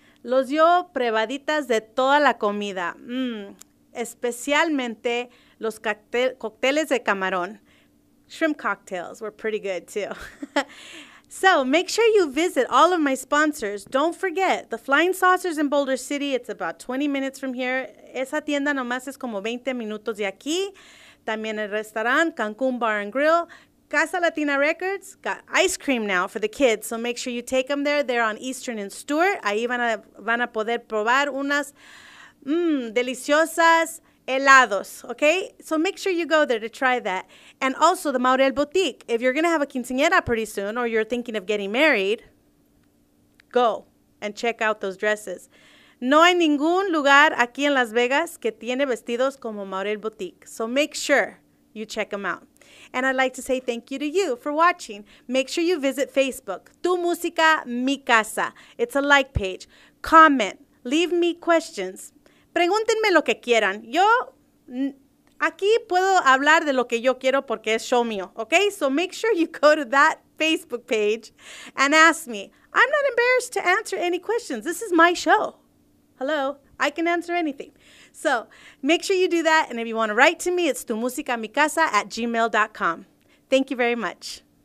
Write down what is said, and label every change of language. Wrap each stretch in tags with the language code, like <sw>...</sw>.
<es>Los dio probaditas de toda la comida. Especialmente los cocteles de camarón.</es> <en>Shrimp cocktails were pretty good, too. So make sure you visit all of my sponsors. Don't forget, the Flying Saucers in Boulder City, it's about 20 minutes from here.</en> <es>Esa tienda nomás es como 20 minutos de aquí. También el restaurant, Cancun Bar and Grill.</es> <en>Casa Latina Records got ice cream now for the kids, so make sure you take them there. They're on Eastern and Stewart.</en> <es>Ahí van a poder probar unas deliciosas helados, okay?</es> <en>So make sure you go there to try that. And also the Maurel Boutique. If you're going to have a quinceañera pretty soon or you're thinking of getting married, go and check out those dresses.</en> <es>No hay ningún lugar aquí en Las Vegas que tiene vestidos como Maurel Boutique.</es> <en>So make sure you check them out. And I'd like to say thank you to you for watching. Make sure you visit Facebook, Tu Musica, Mi Casa. It's a like page. Comment. Leave me questions.</en> <es>Pregúntenme lo que quieran. Yo aquí puedo hablar de lo que yo quiero porque es show mío.</es> <en>Okay? So make sure you go to that Facebook page and ask me. I'm not embarrassed to answer any questions. This is my show. Hello? I can answer anything. So make sure you do that. And if you want to write to me, it's tumusicamicasa@gmail.com. Thank you very much.</en>